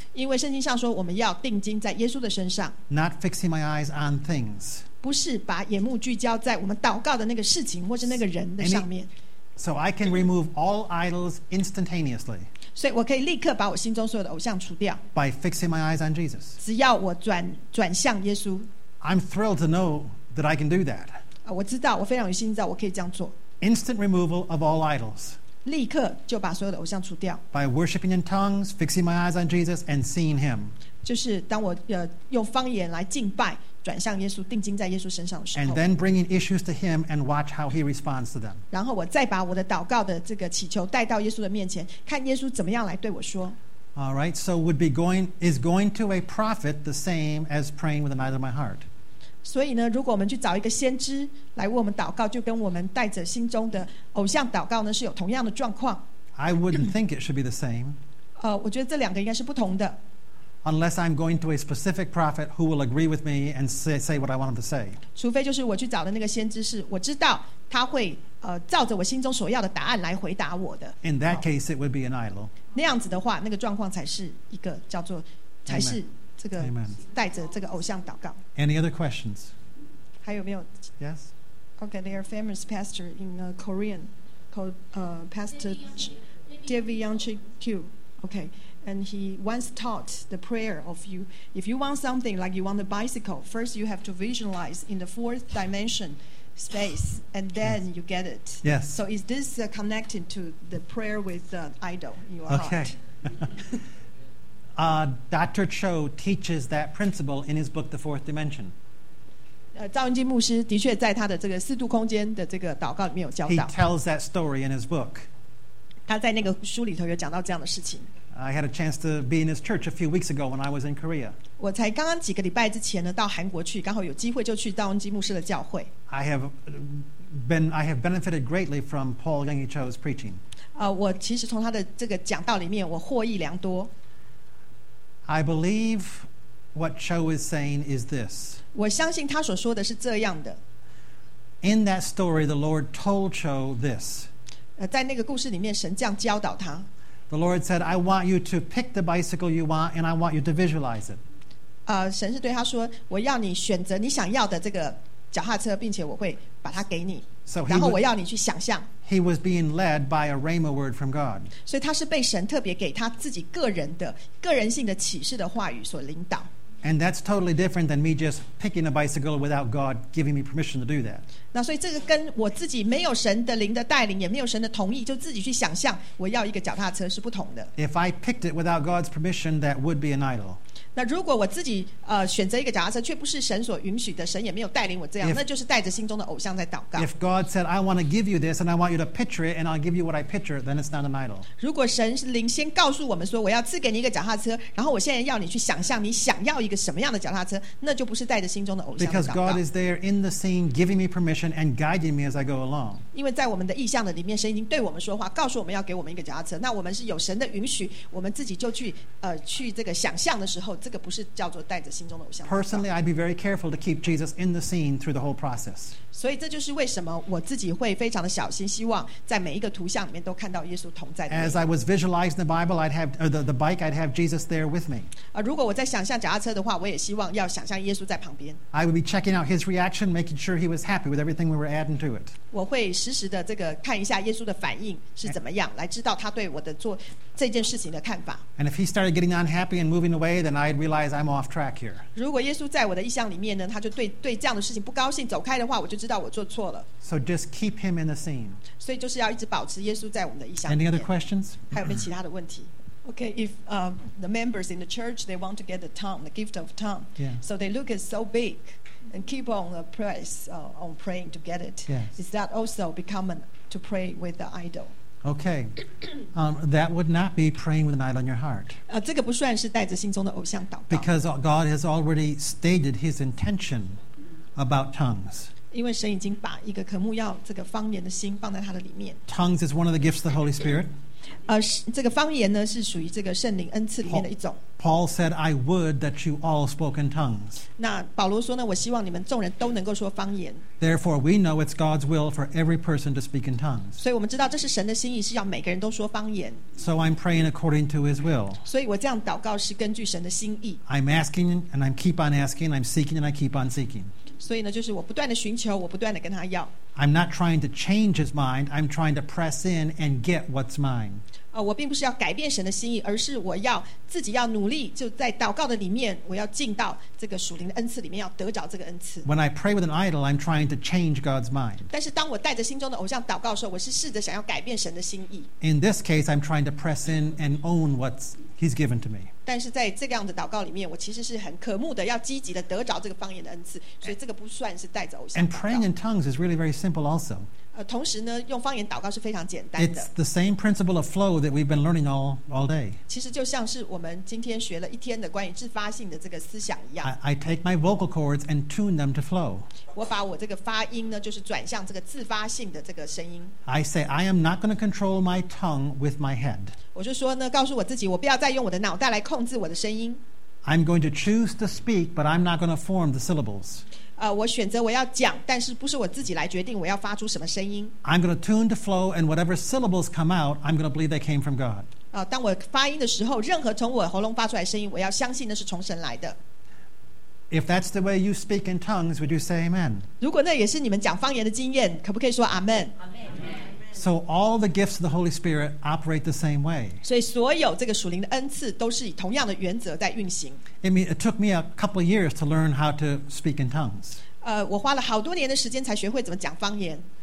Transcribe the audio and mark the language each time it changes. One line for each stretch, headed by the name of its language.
Chinese: 因为圣经上说，我们要定睛在耶稣的身上。
English: Not fixing my eyes on things.
Chinese: 不是把眼目聚焦在我们祷告的那个事情或是那个人的上面。
English: So I can remove all idols instantaneously.
Chinese: 所以我可以立刻把我心中所有的偶像除掉。
English: By fixing my eyes on Jesus.
Chinese: 只要我转向耶稣。
English: I'm thrilled to know that I can do that.
Chinese: 我知道，我非常有信心知道我可以这样做。
English: Instant removal of all idols.
Chinese: 立刻就把所有的偶像除掉。
English: By worshiping in tongues, fixing my eyes on Jesus, and seeing Him.
Chinese: 就是当我用方言来敬拜，转向耶稣，定睛在耶稣身上的时候。
English: And then bringing issues to Him and watch how He responds to them.
Chinese: 然后我再把我的祷告的这个祈求带到耶稣的面前，看耶稣怎么样来对我说。
English: All right, so would be going is going to a prophet the same as praying with an idol in my heart?
Chinese: 所以呢，如果我们去找一个先知来为我们祷告，就跟我们带着心中的偶像祷告呢是有同样的状况。
English: I wouldn't think it should be the same.
Chinese: 我觉得这两个应该是不同的。
English: Unless I'm going to a specific prophet who will agree with me and say what I want him to say.
Chinese: 除非就是我去找的那个先知是我知道他会照着我心中所要的答案来回答我的。
English: In that case, it would be an idol.
Chinese: 那样子的话，那个状况才是一个叫做才是这个带着这个偶像祷告。
English: Any other questions?
Chinese: 还有没有
English: ？Yes. Okay, there are famous pastor in Korean called Pastor David Yongchik Kyu. Okay. And he once taught the prayer of you. If you want something like you want a bicycle, first you have to visualize in the fourth dimension space, and then yes. You get it. Yes. So is this connected to the prayer with the idol in your okay. heart? Okay. Dr. Cho teaches that principle in his book, The Fourth Dimension.
Chinese: 赵恩金牧师的确在他的这个四度空间的这个祷告里面有教导。
English: He tells that story in his book.
Chinese: 他在那个书里头有讲到这样的事情。
English: I had a chance to be in his church a few weeks ago when I was in Korea.
Chinese: 我才刚刚几个礼拜之前呢，到韩国去，刚好有机会就去赵恩金牧师的教会。
English: I have benefited greatly from Paul Yung Hee Cho's preaching.
Chinese: 我其实从他的这个讲道里面，我获益良多。
English: I believe what Cho is saying is this.
Chinese: 我相信他所说的是这样的。
English: In that story, the Lord told Cho this.
Chinese: 在那个故事里面，神这样教导他。
English: The Lord said, I want you to pick the bicycle you want, and I want you to visualize it.
Chinese: 神是对他说，我要你选择你想要的这个脚踏车，并且我会把它给你。
English: So he
Chinese: 然后我要你去想象。
English: He was being led by a rhema word from God.
Chinese: 所以他是被神特别给他自己个人的个人性的启示的话语所领导。
English: And that's totally different than me just picking a bicycle without God giving me permission to do that.
Chinese: 那所以这个跟我自己没有神的灵的带领，也没有神的同意，就自己去想象我要一个脚踏车是不同的。
English: If I picked it without God's permission, that would be an idol.
Chinese: 那如果我自己选择一个脚踏车，却不是神所允许的，神也没有带领我这样，
English: if,
Chinese: 那就是带着心中的偶像在祷告。
English: If God said, "I want to give you this, and I want you to picture it, and I'll give you what I picture," then it's not an idol.
Chinese: 如果神灵先告诉我们说，我要赐给你一个脚踏车，然后我现在要你去想象你想要一个什么样的脚踏车，那就不是带着心中的偶像在祷告。
English: Because God is there in the scene, giving me permission and guiding me as I go along.
Chinese: 因为在我们的意象的里面，神已经对我们说话，告诉我们要给我们一个脚踏车。那我们是有神的允许，我们自己就去去这个想象的时候。这个不是叫做带着心中的偶像。
English: Personally, I'd be very careful to keep Jesus in the scene through the whole process.
Chinese: 所以这就是为什么我自己会非常的小心，希望在每一个图像里面都看到耶稣同在。
English: As I was visualizing the Bible, I'd have the bike, I'd have Jesus there with me.
Chinese: 如果我在想象脚踏车的话，我也希望要想象耶稣在旁边。
English: I would be checking out his reaction, making sure he was happy with everything we were adding to it.
Chinese: 我会实时的这个看一下耶稣的反应是怎么样，来知道他对我的做这件事情的看法。
English: And if he started getting unhappy and moving away, then I'd realize I'm off track here.
Chinese: 如果耶稣在我的意象里面呢，他就对这样的事情不高兴，走开的话，我就知道我做错了。
English: So just keep him in the scene.
Chinese: 所以就是要一直保持耶稣在我们的意象里面。
English: Any other questions?
Chinese: 还有没有其他的问题？
English: Okay, if the members in the church they want to get the tongue, the gift of tongue, yeah. So they look at so big and keep on the press on praying to get it. Yes. Is that also become to pray with the idol? Okay, that would not be praying with an idol in your heart.
Chinese: 这个不算是带着心中的偶像祷告。
English: Because God has already stated His intention about tongues.
Chinese: 因为神已经把一个渴慕要这个方言的心放在他的里面。
English: Tongues is one of the gifts of the Holy Spirit.
Chinese: 这个方言呢是属于这个圣灵恩赐里面的一种。
English: Paul said, "I would that you all spoke in tongues."
Chinese: 那保罗说呢，我希望你们众人都能够说方言。
English: Therefore, we know it's God's will for every person to speak in tongues.
Chinese: 所以我们知道这是神的心意，是要每个人都说方言。
English: So I'm praying according to His will.
Chinese: 所以我这样祷告是根据神的心意。
English: I'm asking and I keep on asking. I'm seeking and I keep on seeking.
Chinese: 所以呢，就是我不断的寻求，我不断的跟他要。
English: I'm not trying to change His mind. I'm trying to press in and get what's mine.
Chinese: 我并不是要改变神的心意，而是我要自己要努力，就在祷告的里面，我要进到这个属灵的恩赐里面，要得着这个恩赐。
English: When I pray with an idol, I'm trying to change God's mind.
Chinese: 但是当我带着心中的偶像祷告的时候，我是试着想要改变神的心意。
English: In this case, I'm trying to press in and own what's He's given to me.
Chinese: 但是在这样的祷告里面，我其实是很渴慕的，要积极的得着这个方言的恩赐，所以这个不算是带着偶像。
English: And praying in tongues is really very simple, also.
Chinese: 同时呢，用方言祷告是非常简单的。
English: It's the same principle of flow that we've been learning all day.
Chinese: 其实就像是我们今天学了一天的关于自发性的这个思想一样。
English: I take my vocal cords and tune them to flow.
Chinese: 我把我这个发音呢，就是转向这个自发性的这个声音。
English: I say I am not going to control my tongue with my head.
Chinese: 我就说呢，告诉我自己，我不要再用我的脑袋来控制我的声音。
English: I'm going to choose to speak, but I'm not going to form the syllables.
Chinese: 我选择我要讲，但是不是我自己来决定我要发出什么声音。
English: I'm going to tune to flow, and whatever syllables come out, I'm going to believe they came from God.
Chinese: 当我发音的时候，任何从我喉咙发出来的声音，我要相信那是从神来的。
English: If that's the way you speak in tongues, would you say Amen?
Chinese: 如果那也是你们讲方言的经验，可不可以说 Amen?
English: Amen. So all the gifts of the Holy Spirit operate the same way.
Chinese: 所以所有这个属灵的恩赐都是以同样的原则在运行。
English: It took me a couple of years to learn how to speak in tongues.
Chinese: 我花了好多年的时间才学会怎么讲方言。